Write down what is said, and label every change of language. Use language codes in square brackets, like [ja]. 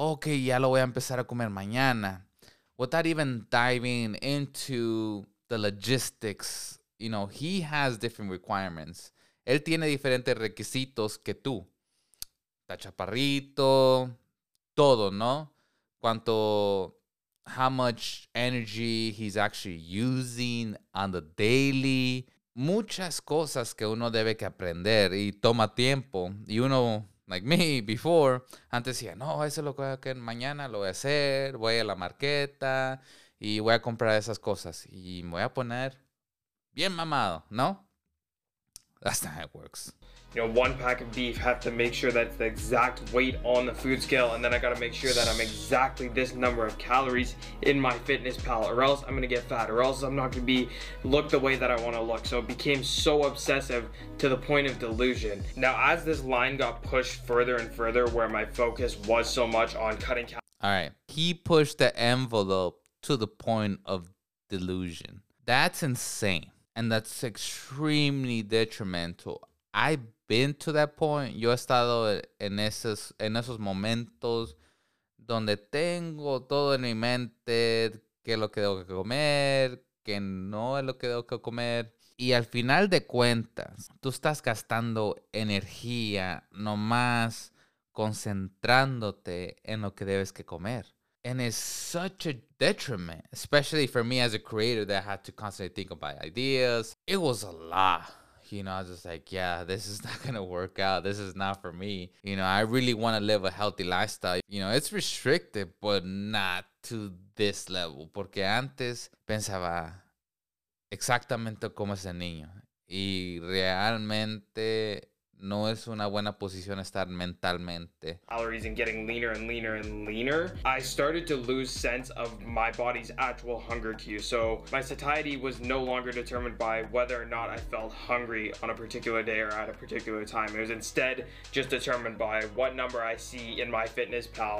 [es] Ok, ya lo voy a empezar a comer mañana. [en] Without even diving into the logistics, you know, he has different requirements. [es] Él tiene diferentes requisitos que tú. Está chaparrito, todo, ¿no? Cuánto, [en] how much energy he's actually using on the daily. [es] Muchas cosas que uno debe que aprender y toma tiempo. Y uno, [en] like me, before, [es] antes decía, no, eso es lo que voy a hacer mañana, lo voy a hacer, voy a la marqueta y voy a comprar esas cosas. Y me voy a poner bien mamado, ¿no? [en] That's not how it works. You know, one pack of beef, have to make sure that's the exact weight on the food scale, and then I gotta make sure that I'm exactly this number of calories in my fitness pal, or else I'm gonna get fat, or else I'm not gonna be look the way that I wanna look. So it became so obsessive to the point of delusion. Now, as this line got pushed further and further, where my focus was so much on cutting calories. All right, he pushed the envelope to the point of delusion. That's insane, and that's extremely detrimental. I've been to that point. [es] Yo he estado en esos momentos donde tengo todo en mi mente qué es lo que tengo que comer, qué no es lo que tengo que comer. Y al final de cuentas, tú estás gastando energía nomás concentrándote en lo que debes que comer. [en] And it's such a detriment, especially for me as a creator that I had to constantly think about ideas. It was a lot. You know, I was just like, yeah, this is not going to work out. This is not for me. You know, I really want to live a healthy lifestyle. You know, it's restricted, but not to this level. [es] Porque antes pensaba exactamente como ese niño. Y realmente No es una buena posición estar mentalmente. [en] Calories and getting leaner and leaner and leaner. I started to lose sense of my body's actual hunger cue. So my satiety was no longer determined by whether or not I felt hungry on a particular day or at a particular time. It was instead just determined by what number I see in my fitness pal.